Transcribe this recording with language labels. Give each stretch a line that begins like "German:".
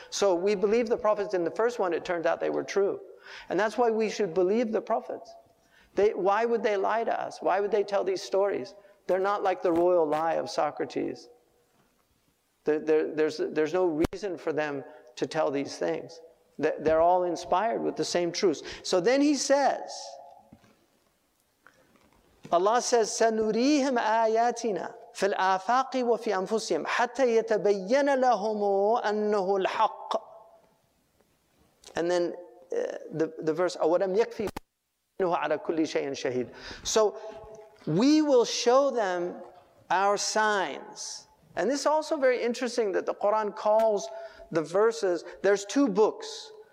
English: So we believe the prophets in the first one. It turned out they were true. And that's why we should believe the prophets. Why would they lie to us? Why would they tell these stories? They're not like the royal lie of Socrates. There's no reason for them to tell these things. They're all inspired with the same truths. So then he says, Allah says,
Arabic: سَنُرِيهِمْ آيَاتِنَا فِي الْآفَاقِ وَفِي أَنفُسِهِمْ حَتَّى يَتَبَيَّنَ لَهُمُ أَنَّهُ الْحَقِّ.
English: And then the verse,
Arabic: أَوَلَمْ يَكْفِي أَنَّهُ عَلَى كُلِّ شَيْءٍ شَهِيدٍ.
English: So we will show them our signs. And this is also very interesting that the Quran calls the verses, there's two books.